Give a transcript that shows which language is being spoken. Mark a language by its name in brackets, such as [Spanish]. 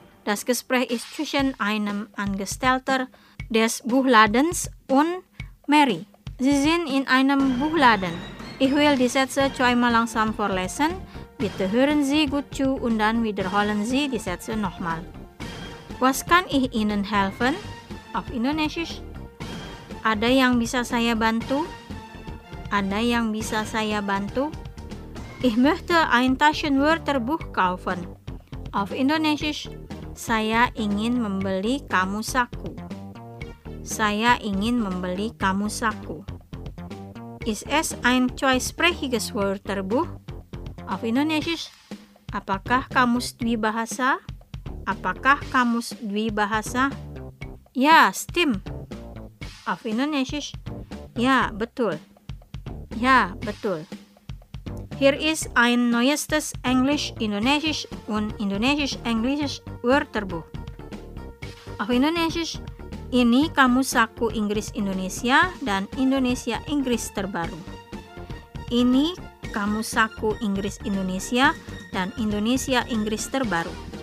[German] Das Gespräch ist zwischen einem Angestellter des Buchladens und Mary. Sie sind in einem Buchladen. Ich will die Sätze zweimal langsam vorlesen. Bitte hören Sie gut zu und dann wiederholen Sie die Sätze nochmal. Was kann ich Ihnen helfen? Auf Indonesisch. [Indonesian] Ada yang bisa saya bantu? Ada yang bisa saya bantu? [German] Ich möchte ein Taschenwörterbuch kaufen. Auf Indonesisch. [Indonesian] Saya ingin membeli kamusaku. Saya ingin membeli kamusaku. [German] Ist es ein zweisprachiges Wörterbuch? Auf Indonesisch. [Indonesian] Apakah kamus dwi bahasa? Apakah kamus dwi bahasa? [German] Ya, stimmt. Auf Indonesisch. [Indonesian] Ja, betul. Ja, betul. [German] Hier ist ein neuestes Englisch-Indonesisch und Indonesisch-Englisches Wörterbuch. Auf Indonesisch, [Indonesian] ini kamusaku Inggris Indonesia dan Indonesia Inggris terbaru. Ini kamusaku Inggris Indonesia dan Indonesia Inggris terbaru.